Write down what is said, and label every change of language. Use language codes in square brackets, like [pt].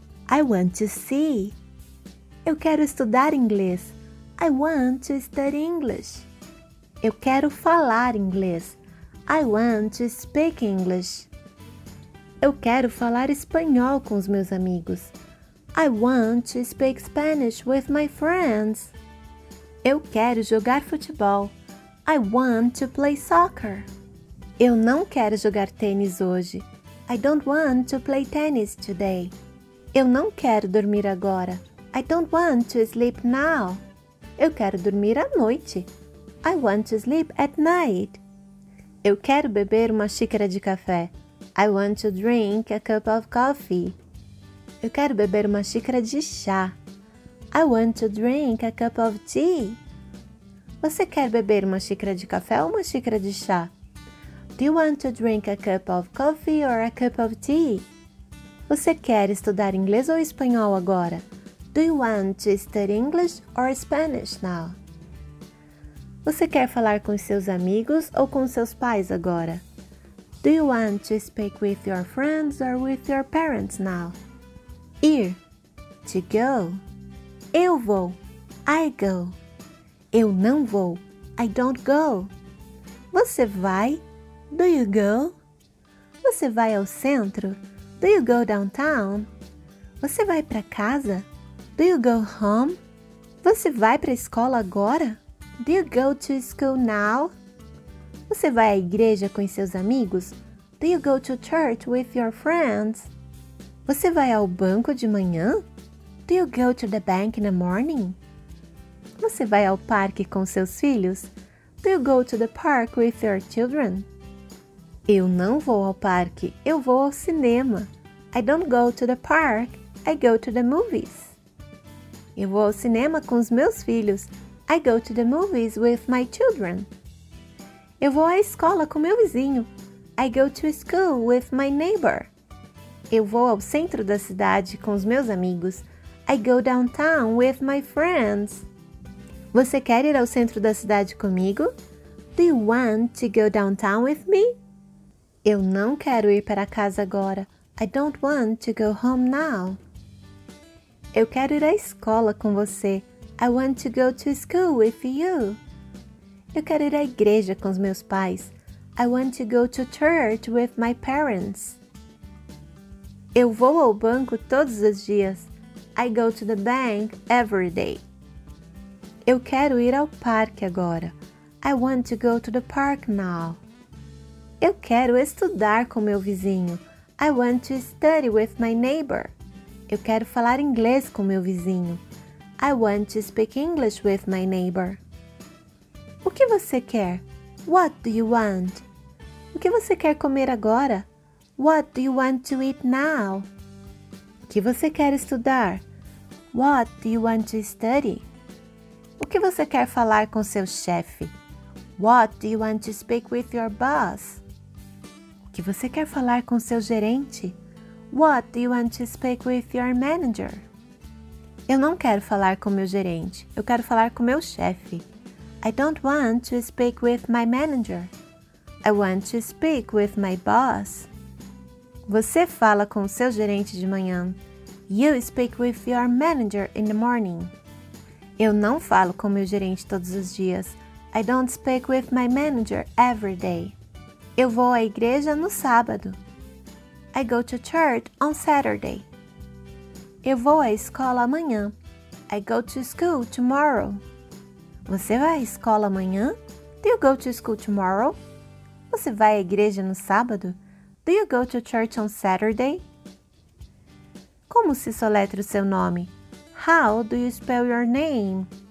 [en] I want to see. [pt] Eu quero estudar inglês. [en] I want to study English. [pt] Eu quero falar inglês. [en] I want to speak English. [pt] Eu quero falar espanhol com os meus amigos. [en] I want to speak Spanish with my friends. [pt] Eu quero jogar futebol. [en] I want to play soccer. [pt] Eu não quero jogar tênis hoje. [en] I don't want to play tennis today. [pt] Eu não quero dormir agora. [en] I don't want to sleep now. [pt] Eu quero dormir à noite. [en] I want to sleep at night. [pt] Eu quero beber uma xícara de café. [en] I want to drink a cup of coffee. [pt] Eu quero beber uma xícara de chá. [en] I want to drink a cup of tea. [pt] Você quer beber uma xícara de café ou uma xícara de chá? [en] Do you want to drink a cup of coffee or a cup of tea? [pt] Você quer estudar inglês ou espanhol agora? [en] Do you want to study English or Spanish now? [pt] Você quer falar com seus amigos ou com seus pais agora? [en] Do you want to speak with your friends or with your parents now? Ir, to go. [pt] Eu vou, [en] I go. [pt] Eu não vou, [en] I don't go. [pt] Você vai, [en] do you go? [pt] Você vai ao centro, [en] do you go downtown? [pt] Você vai para casa, [en] do you go home? [pt] Você vai para a escola agora, [en] do you go to school now? [pt] Você vai à igreja com seus amigos, [en] do you go to church with your friends? [pt] Você vai ao banco de manhã, [en] do you go to the bank in the morning? [pt] Você vai ao parque com seus filhos? [en] Do you go to the park with your children? [pt] Eu não vou ao parque, eu vou ao cinema. [en] I don't go to the park, I go to the movies. [pt] Eu vou ao cinema com os meus filhos. [en] I go to the movies with my children. [pt] Eu vou à escola com meu vizinho. [en] I go to school with my neighbor. [pt] Eu vou ao centro da cidade com os meus amigos. [en] I go downtown with my friends. [pt] Você quer ir ao centro da cidade comigo? [en] Do you want to go downtown with me? [pt] Eu não quero ir para casa agora. [en] I don't want to go home now. [pt] Eu quero ir à escola com você. [en] I want to go to school with you. [pt] Eu quero ir à igreja com os meus pais. [en] I want to go to church with my parents. [pt] Eu vou ao banco todos os dias. [en] I go to the bank every day. [pt] Eu quero ir ao parque agora. [en] I want to go to the park now. [pt] Eu quero estudar com meu vizinho. [en] I want to study with my neighbor. [pt] Eu quero falar inglês com meu vizinho. [en] I want to speak English with my neighbor. [pt] O que você quer? [en] What do you want? [pt] O que você quer comer agora? [en] What do you want to eat now? [pt] O que você quer estudar? [en] What do you want to study? [pt] O que você quer falar com seu chefe? [en] What do you want to speak with your boss? [pt] O que você quer falar com seu gerente? [en] What do you want to speak with your manager? [pt] Eu não quero falar com meu gerente. Eu quero falar com meu chefe. [en] I don't want to speak with my manager. I want to speak with my boss. [pt] Você fala com seu gerente de manhã. [en] You speak with your manager in the morning. [pt] Eu não falo com meu gerente todos os dias. [en] I don't speak with my manager every day. [pt] Eu vou à igreja no sábado. [en] I go to church on Saturday. [pt] Eu vou à escola amanhã. [en] I go to school tomorrow. [pt] Você vai à escola amanhã? [en] Do you go to school tomorrow? [pt] Você vai à igreja no sábado? [en] Do you go to church on Saturday? [pt] Como se soletra o seu nome? [en] How do you spell your name?